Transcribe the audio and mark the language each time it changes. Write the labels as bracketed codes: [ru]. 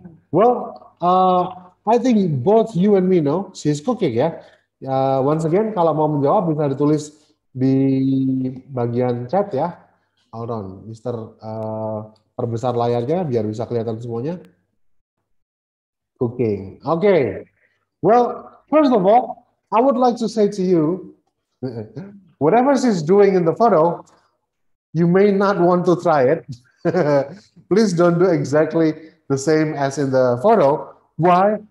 [en] Well, I think both you and me know she's cooking, yeah? Once again, [id] kalau mau menjawab, bisa ditulis di bagian chat ya. [en] Hold on, [id] Mister, perbesar layarnya biar bisa kelihatan semuanya. [en] Cooking. Okay. Well, first of all, I would like to say to you, whatever she's doing in the photo, you may not want to try it. Please don't do exactly the same as in the photo. Why?